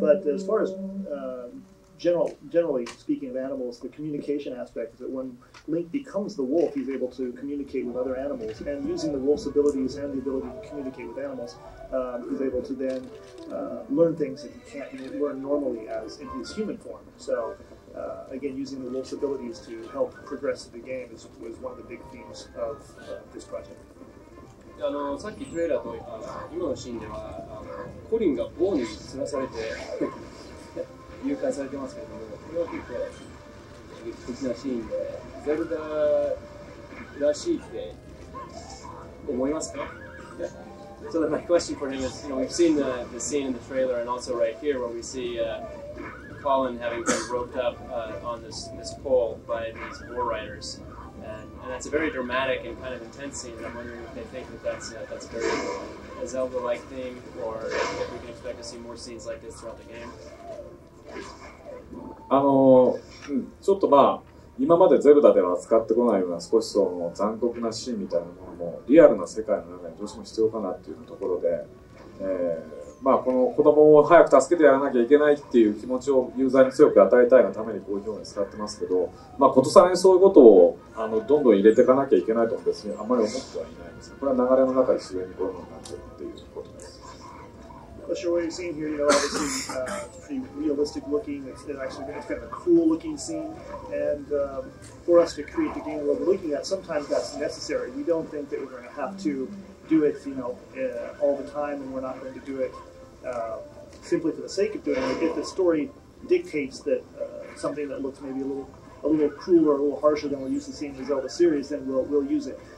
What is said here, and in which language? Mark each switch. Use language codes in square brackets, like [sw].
[en] But as far as generally speaking of animals, the communication aspect is that when Link becomes the wolf, he's able to communicate with other animals, and using the wolf's abilities and the ability to communicate with animals, he's able to then learn things that he can't learn normally as in his human form. So again, using the wolf's abilities to help progress the game was one of the big themes of this project. [ja] さっきトレーラーと今のシーンではコリンが王に継がされて誘拐されてますけれども、これは結構劇的なシーンで、ゼルダらしいって思いますか？ [en] So then my question for him is, you know, we've seen the scene in the trailer and also right here where we see Colin having been roped up on this pole by these war riders, and that's a very dramatic and kind of intense scene. And I'm wondering if they think that's very a Zelda-like thing, or if we can expect to see more scenes like this throughout the game. [ja] ちょっとまあ今までゼルダでは扱ってこないような少しその残酷なシーンみたいなものもリアルな世界の中にどうしても必要かなっていうところで、まあこの子供を早く助けてやらなきゃいけないっていう気持ちをユーザーに強く与えたいのためにこういう表現を使ってますけど、まあことさらにそういうことをどんどん入れていかなきゃいけないと別にあまり思ってはいないんですが、これは流れの中で自然にこういうのになっているっていうことです。 [en] I'm sure what you're seeing here, you know, obviously pretty realistic looking. It's kind of a cool looking scene. And for us to create the game world we're looking at, sometimes that's necessary. We don't think that we're going to have to do it, you know, all the time, and we're not going to do it simply for the sake of doing it. If the story dictates that something that looks maybe a little crueler, or a little harsher than we're used to seeing in the Zelda series, then we'll use it.